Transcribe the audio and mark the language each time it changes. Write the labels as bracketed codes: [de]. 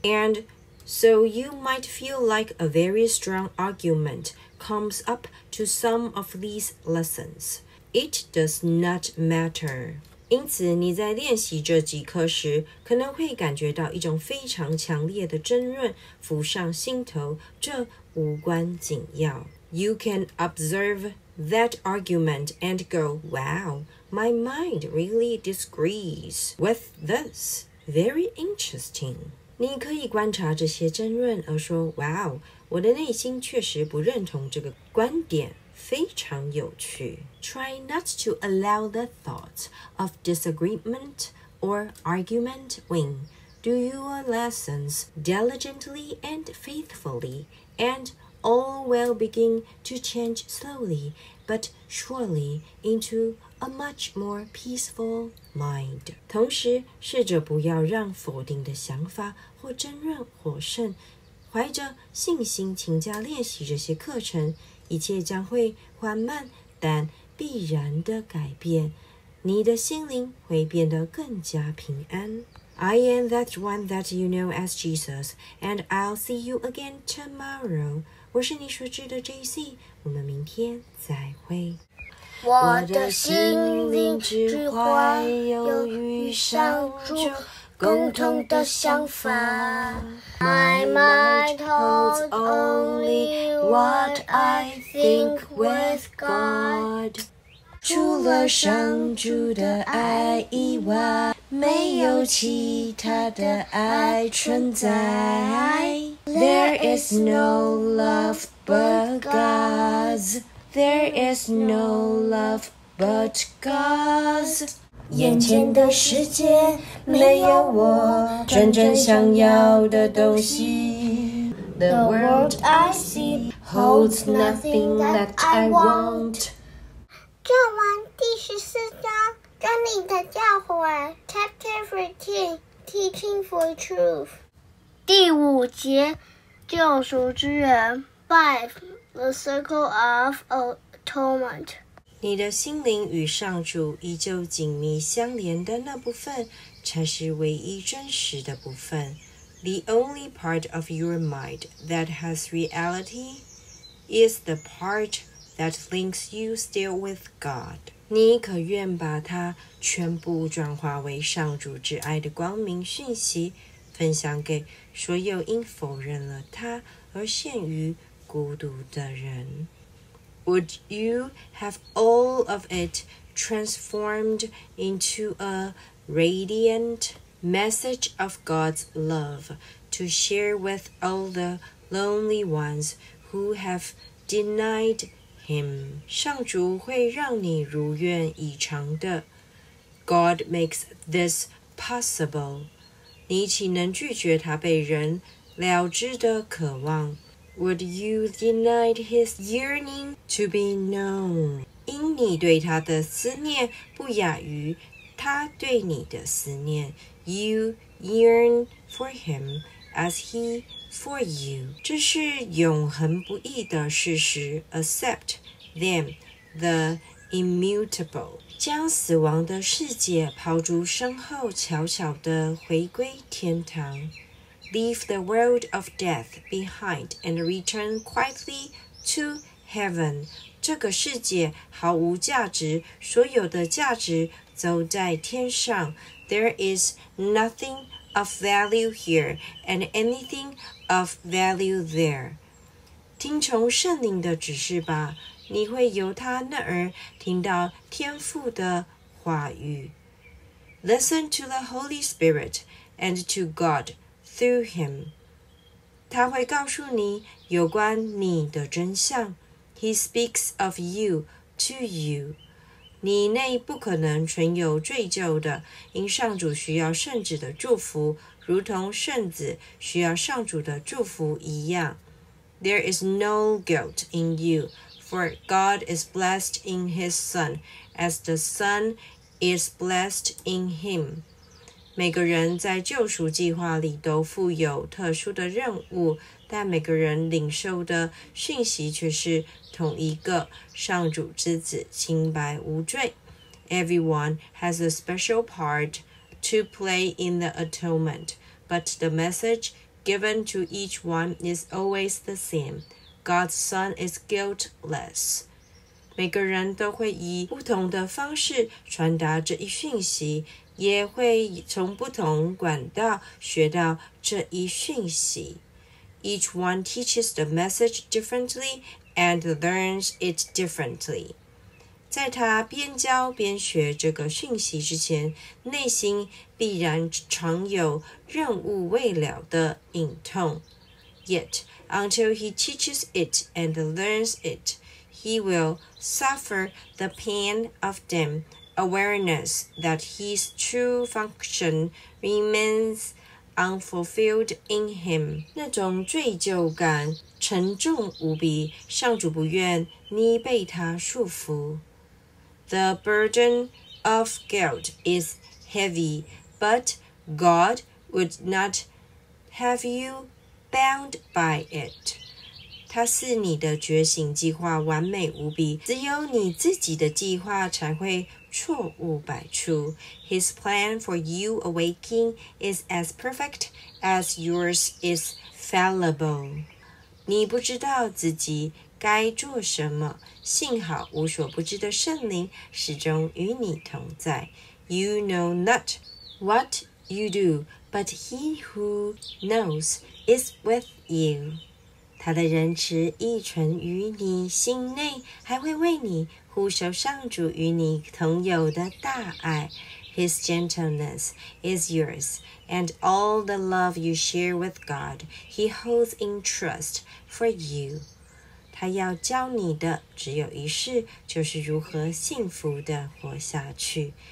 [en] And so you might feel like a very strong argument comes up to some of these lessons. It does not matter. [zh] 因此你在练习这几课时，可能会感觉到一种非常强烈的争论浮上心头，这无关紧要。 [en] You can observe that argument and go, wow, my mind really disagrees with this. Very interesting. [zh] 你可以观察这些争论而说 wow, 我的内心确实不认同这个观点。非常有趣。 [en] Try not to allow the thought of disagreement or argument win. Do your lessons diligently and faithfully, and all will begin to change slowly but surely into a much more peaceful mind. [zh] 同时试着不要让否定的想法或争论获胜，怀着信心勤加练习这些课程，一切将会缓慢但必然的改变，你的心灵会变得更加平安。 [en] I am that one that you know as Jesus, and I'll see you again tomorrow. [zh] 我是你所知的 JC, 我们明天再会。我的心灵之怀有与上主共同的想法。 [en] My mind holds only what I think with God. [zh] 除了上主的爱以外，没有其他的爱存在。 [en] There is no love but God's. There is no love but God's. [zh] 眼前的世界没有我真正想要的东西。 [en] The world I see holds nothing that I want. [zh] 作文第十四章真理的教诲 [en] Chapter 14 Teaching for Truth [zh] 第五节救赎之人 [en] 5 The Circle of Atonement [zh] 你的心灵与上主依旧紧密相连的那部分才是唯一真实的部分。 [en] The only part of your mind that has reality is the part that links you still with God. [zh] 你可愿把它全部转化为上主之爱的光明讯息，分享给所有因否认了它而陷于孤独的人。 [en] Would you have all of it transformed into a radiant message of God's love to share with all the lonely ones who have denied Him. [zh] 上主会让你如愿以偿的。 [en] God makes this possible. [zh] 你岂能拒绝他被人了知的渴望？ [en] Would you deny his yearning to be known? [zh] 因你对他的思念不亚于他对你的思念。 [en] You yearn for him as he for you. [zh] 这是永恒不易的事实。 [en] Accept. Them, the immutable. [zh] 将死亡的世界抛诸身后，悄悄地回归天堂。 [en] Leave the world of death behind and return quietly to heaven. [zh] 这个世界毫无价值，所有的价值都在天上。 [en] There is nothing of value here and anything of value there. [zh] 听从圣灵的指示吧。你会由他那儿听到天父的话语。 [en] Listen to the Holy Spirit and to God through him. [zh] 他会告诉你有关你的真相。 [en] He speaks of you to you. [zh] 你内不可能存有罪疚的，因上主需要圣子的祝福，如同圣子需要上主的祝福一样。 [en] There is no guilt in you. For God is blessed in His Son, as the Son is blessed in Him. [zh] 每个人在救赎计划里都负有特殊的任务，但每个人领受的讯息却是同一个，上主之子清白无罪。 [en] Everyone has a special part to play in the atonement, but the message given to each one is always the same. God's Son is guiltless. [zh] 每个人都会以不同的方式传达这一讯息，也会从不同管道学到这一讯息。 [en] Each one teaches the message differently and learns it differently. [zh] 在他边教边学这个讯息之前，内心必然常有任务未了的隐痛。 [en] Yet, until he teaches it and learns it, he will suffer the pain of dim awareness that his true function remains unfulfilled in him. [zh] 那种罪疚感沉重无比，上主不愿你被他束缚。 [en] The burden of guilt is heavy, but God would not have you bound by it. [zh] 它是你的觉醒计划完美无比，只有你自己的计划才会错误百出。 [en] His plan for you awaking is as perfect as yours is fallible. [zh] 你不知道自己该做什么，幸好无所不知的圣灵始终与你同在。 [en] You know not what you do, but he who knows is with you. [zh] 他的仁慈亦存于你心内，还会为你呼求上主与你同有的大爱。 [en] His gentleness is yours, and all the love you share with God, he holds in trust for you. [zh] 他要教你的只有一事，就是如何幸福地活下去。